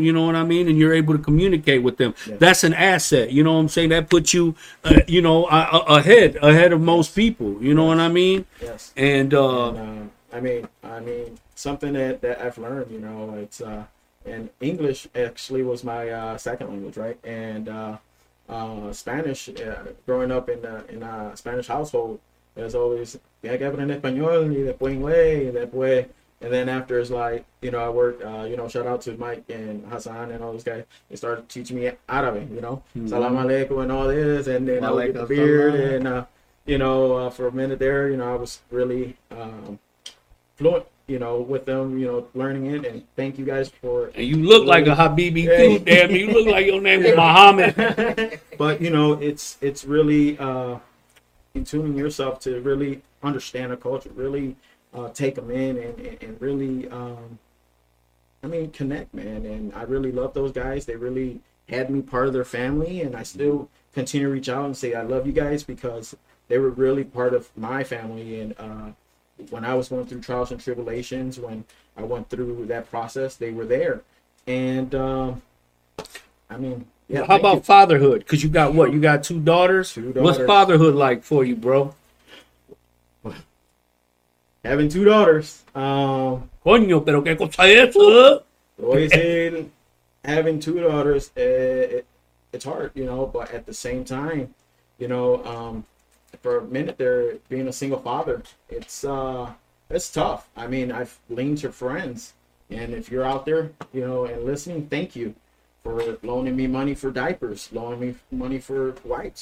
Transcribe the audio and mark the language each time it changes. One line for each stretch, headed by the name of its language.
English: You know what I mean? And you're able to communicate with them. Yes. That's an asset. You know what I'm saying? That puts you, you know, ahead of most people. You know what I mean? Yes. And I mean, something that I've learned, you know, it's And English actually was my second language, right? And Spanish, growing up in a Spanish household, there's always,
Spanish: tiene que aprender español y después
English: inglés y después. And then after, it's like, you know, I worked, you know, shout out to Mike and Hassan and all those guys. They started teaching me Arabe, you know,
Arabic: salam aleikum
English: and all this. And then I like the beard. And, you know, for a minute there, you know, I was really fluent, you know, with them, you know, learning it. And thank you guys for. And you look like a Habibi, too, damn. You look like your name is Muhammad. But, you know, it's really in tuning yourself to really understand a culture, really. Take them in and really, I mean, connect, man. And I really love those guys. They really had me part of their family, and I still continue to reach out and say I love you guys because they were really part of my family. And when I was going through trials and tribulations, when I went through that process, they were there. And I mean, yeah. Well, how about you. Fatherhood? Because you got what? You got two daughters? Two daughters. What's fatherhood like for you, bro? Having two daughters.
Spanish: Coño, pero qué cosa es eso?
English: Having two daughters, it's hard, you know, but at the same time, you know, for a minute there, being a single father, it's tough. I mean, I've leaned to friends, and if you're out there, you know, and listening, thank you for loaning me money for diapers, loaning me money for wipes.